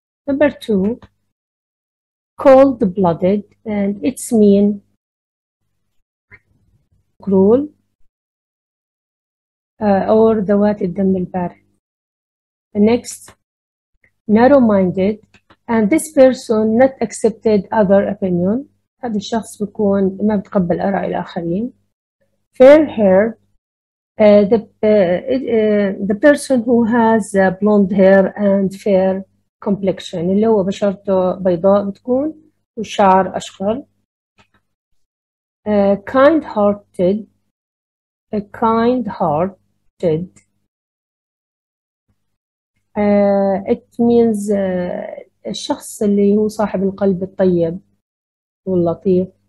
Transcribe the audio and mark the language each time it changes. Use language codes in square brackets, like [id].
[en] Number two, cold-blooded, and it's mean cruel or [ar] ذوات الدم البارد. [en] Next, narrow-minded, and this person not accepted other opinion. [ar] هذا الشخص بيكون ما بتقبل آراء الآخرين. [en] Fair hair. The person who has blonde hair and fair complexion. [ar] اللي هو بشرته بيضاء بتكون وشعر أشقر. [en] Kind-hearted. Kind-hearted. It means [ar] الشخص اللي هو صاحب القلب الطيب واللطيف.